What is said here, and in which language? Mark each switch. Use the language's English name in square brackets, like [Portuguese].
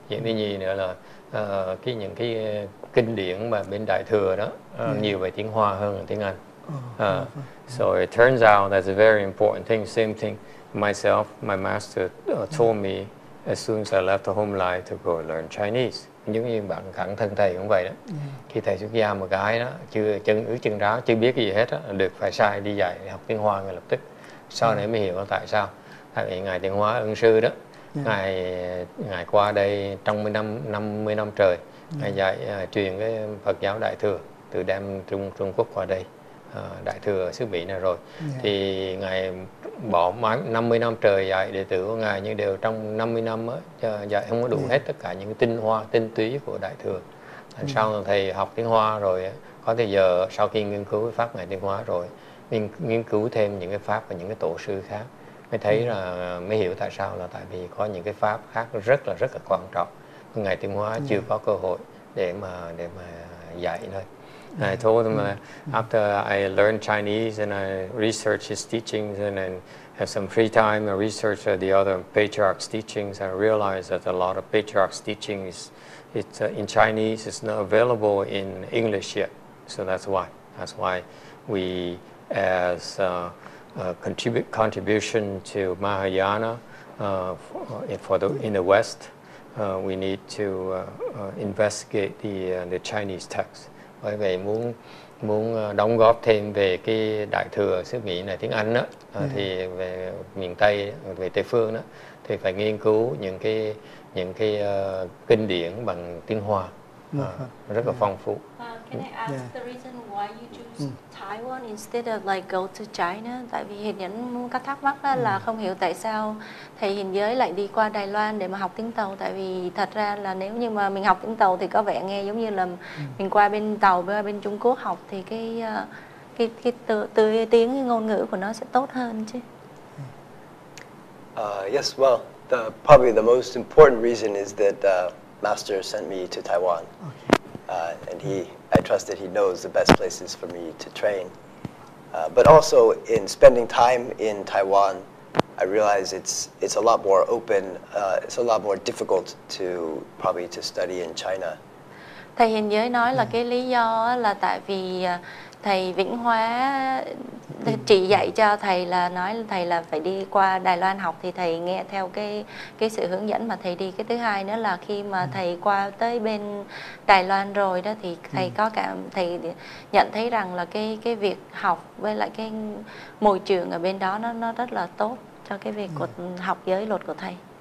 [Vietnamese] Những cái gì nữa là cái những cái kinh điển mà bên Đại thừa đó nhiều về tiếng Hoa hơn là tiếng Anh. [English] So it turns out that's a very important thing. Same thing myself, my master told me as soon as I left the home life to go learn Chinese. [Vietnamese] Giống như bạn khẳng thân thầy cũng vậy đó. Khi thầy xuất gia một cái đó, chưa chân ướt chân ráo, chưa biết cái gì hết đó, được phải sai đi dạy học tiếng Hoa ngay lập tức. Sau này mới hiểu tại sao. Tại vì ngài tiếng Hoa ân sư đó, ngài qua đây trong 50 năm trời, ngài dạy truyền cái Phật giáo Đại thừa từ đem Trung Quốc qua đây, Đại thừa xứ Mỹ này rồi. Thì ngài bỏ mãn 50 năm trời dạy đệ tử của ngài, nhưng đều trong 50 năm đó, dạy không có đủ hết tất cả những tinh hoa tinh túy của Đại thừa. Sau thầy học tiếng Hoa rồi, có thể giờ sau khi nghiên cứu cái pháp ngài tiếng Hoa rồi, nghiên cứu thêm những cái pháp và những cái tổ sư khác, mới thấy là mới hiểu tại sao, là tại vì có những cái pháp khác rất là quan trọng ngài tiếng Hoa chưa có cơ hội để mà dạy thôi. [English] And I told him after I learned Chinese and I researched his teachings and then have some free time and research the other patriarch's teachings, I realized that a lot of patriarch's teachings, it's in Chinese, it's not available in English yet. So that's why. That's why we, as a contribution to Mahayana in the West, we need to investigate the Chinese text. [Vietnamese] Bởi vậy muốn đóng góp thêm về cái đại thừa xứ Mỹ này tiếng Anh đó, thì về miền Tây, về Tây phương đó, thì phải nghiên cứu những cái kinh điển bằng tiếng Hoa rất là phong phú. [English] Can I ask the reason why you choose Taiwan instead of like go to China? [Vietnamese] Tại vì hình như các thắc mắc đó là không hiểu tại sao thầy Hiền Giới lại đi qua Đài Loan để mà học tiếng Tàu. Tại vì thật ra là nếu như mà mình học tiếng Tàu thì có vẻ nghe giống như là mình qua bên Tàu, bên Trung Quốc học thì cái tiếng, cái ngôn ngữ của nó sẽ tốt hơn chứ. [English] Yes, well, probably the most important reason is that Master sent me to Taiwan. Okay. I trust that he knows the best places for me to train. But also, in spending time in Taiwan, I realize it's a lot more open, it's a lot more difficult to probably to study in China. [Vietnamese] Thầy Hiền Giới nói là cái lý do là tại vì thầy Vĩnh Hóa chỉ dạy cho thầy là nói thầy là phải đi qua Đài Loan học thì thầy nghe theo cái sự hướng dẫn mà thầy đi. Cái thứ hai nữa là khi mà thầy qua tới bên Đài Loan rồi đó thì thầy có cảm, thầy nhận thấy rằng là cái việc học với lại cái môi trường ở bên đó nó rất là tốt cho cái việc của học giới luật của thầy.